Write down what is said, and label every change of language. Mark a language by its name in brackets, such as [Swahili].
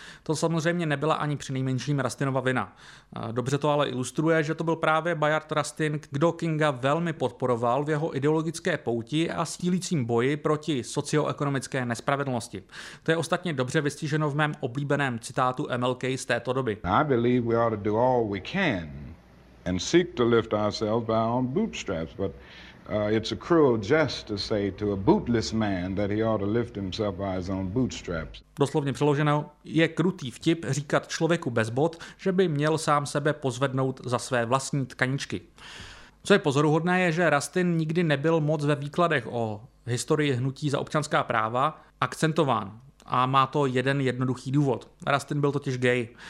[Czech] To samozřejmě nebyla ani přinejmenším Rustinova vina. Dobře to ale ilustruje, že to byl právě Bayard Rustin, kdo Kinga velmi podporoval v jeho ideologické pouti a sílícím boji proti socioekonomické nespravedlnosti. To je ostatně dobře vystiženo v mém oblíbeném citátu MLK z této doby. [English] I believe we ought to do all we can and seek to lift ourselves by our own bootstraps, but it's a cruel jest to say to a bootless man that he ought to lift himself by his own bootstraps. [Czech] Doslovně přeloženo, je krutý vtip říkat člověku bez bot, že by měl sám sebe pozvednout za své vlastní tkaničky. Co je pozoruhodné, je, že Rustin nikdy nebyl moc ve výkladech o historii hnutí za občanská práva akcentován. A má to jeden jednoduchý důvod. Rustin byl totiž gay.